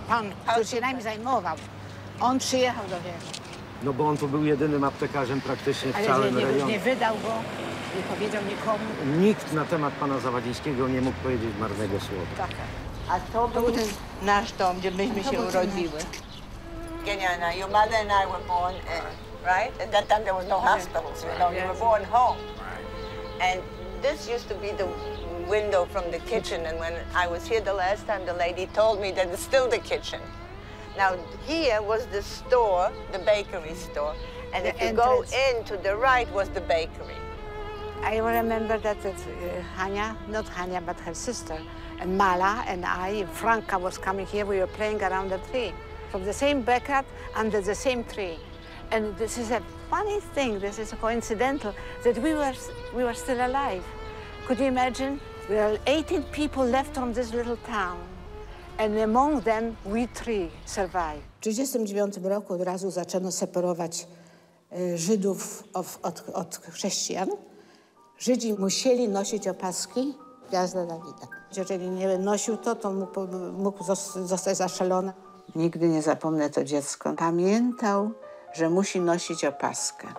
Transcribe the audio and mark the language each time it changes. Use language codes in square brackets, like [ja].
[pl] Pan, który się nami zajmował, on przyjechał do niego. No bo on to był jedynym aptekarzem praktycznie w całym nie, rejonie. Ale nie wydał go, nie powiedział nikomu. Nikt na temat pana Zawadzińskiego nie mógł powiedzieć marnego słowa. Tak. A to był ten nasz dom, gdzie myśmy się urodziły. [en] Genia, your mother and I were born, right? At that time there was no hospitals, you know, you were born home. And this used to be the window from the kitchen. And when I was here the last time, the lady told me that it's still the kitchen. Now, here was the store, the bakery store, and the if you go in to the right was the bakery. I remember that Hania, not Hania, but her sister, and Mala and I, Franka was coming here, we were playing around the tree, from the same backyard under the same tree. And this is a funny thing, this is coincidental, that we were still alive. Could you imagine? There are 18 people left from this little town. And among them, we three survived. [pl] W 1939 roku od razu zaczęto separować Żydów od chrześcijan. Żydzi musieli nosić opaski Gwiazda Dawida. Jeżeli nie nosił to, to mógł zostać zastrzelony. Nigdy nie zapomnę to dziecko. Pamiętał, że musi nosić opaskę.